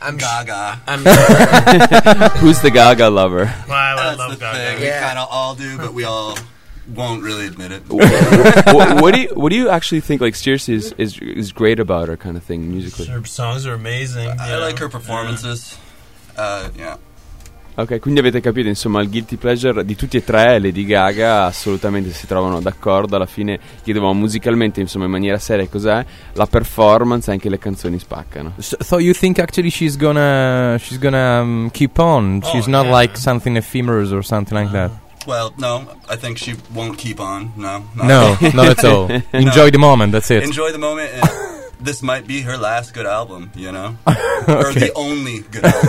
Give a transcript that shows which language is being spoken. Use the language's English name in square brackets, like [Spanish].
[English] I'm Gaga. I'm sure. Who's the Gaga lover? Well, I love Gaga. Thing. Yeah. We kind of all do, but we all won't really admit it. what do you actually think? Like, seriously, is great about her kind of thing musically? Her songs are amazing. I like her performances. [Italian] Ok, quindi avete capito, insomma, il guilty pleasure di tutti e tre, Lady Gaga, assolutamente si trovano d'accordo. Alla fine chiedevamo musicalmente, insomma, in maniera seria, cos'è la performance, anche le canzoni spaccano. [English] So you think actually she's gonna keep on? Oh, she's yeah. Not like something ephemeral or something like that. Well, no, I think she won't keep on. No, not at all. Enjoy the moment. That's it. Enjoy the moment. This might be her last good album, you know, okay. Or the only good album.